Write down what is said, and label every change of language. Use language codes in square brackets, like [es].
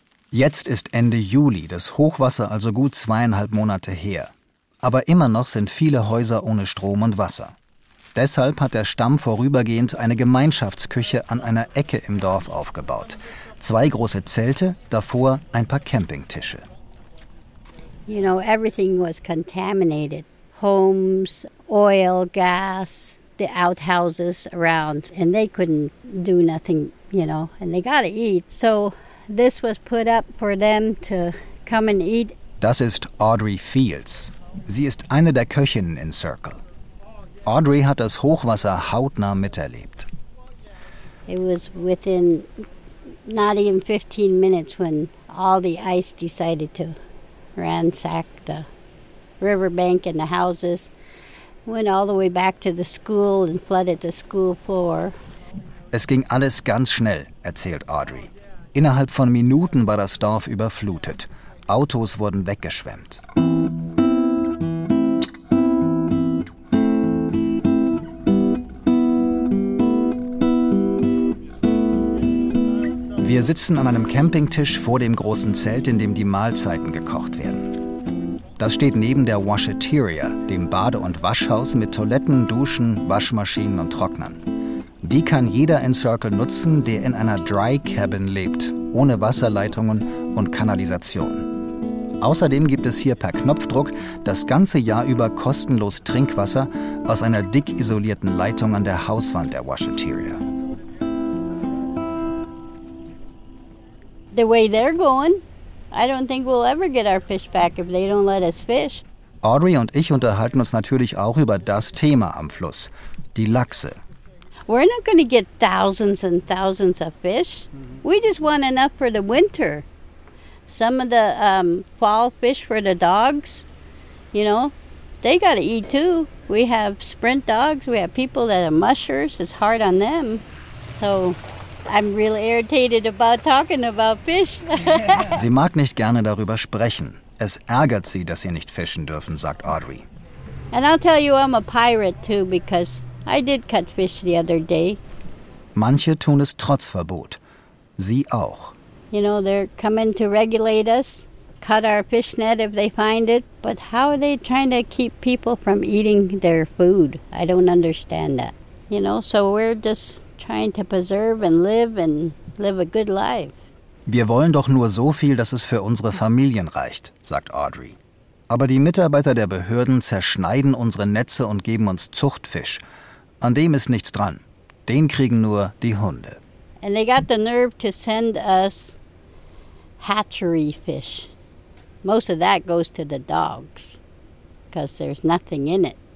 [de] Jetzt ist Ende Juli, das Hochwasser also gut 2,5 Monate her. Aber immer noch sind viele Häuser ohne Strom und Wasser. Deshalb hat der Stamm vorübergehend eine Gemeinschaftsküche an einer Ecke im Dorf aufgebaut. 2 große Zelte, davor ein paar Campingtische. [en] You know, everything was contaminated. Homes, oil, gas, the outhouses around. And they couldn't do nothing, you know, and they gotta eat. So this was put up for them to come and eat. [de] Das ist Audrey Fields. Sie ist eine der Köchinnen in Circle. Audrey hat das Hochwasser hautnah miterlebt. [en] It was within not even 15 minutes when all the ice decided to ransack the riverbank and the houses, went all the way back to the school and flooded the school floor. [de] Es ging alles ganz schnell, erzählt Audrey. Innerhalb von Minuten war das Dorf überflutet. Autos wurden weggeschwemmt. Wir sitzen an einem Campingtisch vor dem großen Zelt, in dem die Mahlzeiten gekocht werden. Das steht neben der Washeteria, dem Bade- und Waschhaus mit Toiletten, Duschen, Waschmaschinen und Trocknern. Die kann jeder in Circle nutzen, der in einer Dry Cabin lebt, ohne Wasserleitungen und Kanalisation. Außerdem gibt es hier per Knopfdruck das ganze Jahr über kostenlos Trinkwasser aus einer dick isolierten Leitung an der Hauswand der Washeteria. [en] The way they're going, I don't think we'll ever get our fish back if they don't let us fish. [de] Audrey und ich unterhalten uns natürlich auch über das Thema am Fluss, die Lachse. [en] We're not going to get thousands and thousands of fish. We just want enough for the winter. Some of the fall fish for the dogs, you know, they got to eat too. We have sprint dogs. We have people that are mushers. It's hard on them. So I'm really irritated about talking about fish. [de] Sie mag nicht gerne darüber sprechen. Es ärgert sie, dass sie nicht fischen dürfen, sagt Audrey. [en] And I'll tell you, I'm a pirate too, because I did catch fish the other day. [de] Manche tun es trotz Verbot. Sie auch. [en] You know, they're coming to regulate us, cut our fish net if they find it. But how are they trying to keep people from eating their food? I don't understand that. You know, so we're just trying to preserve and live a good life. [de] Wir wollen doch nur so viel, dass es für unsere Familien reicht, sagt Audrey. Aber die Mitarbeiter der Behörden zerschneiden unsere Netze und geben uns Zuchtfisch. An dem ist nichts dran. Den kriegen nur die Hunde. [en] And they got the nerve to send us hatchery fish. Most of that goes to the dogs, because there's nothing in it.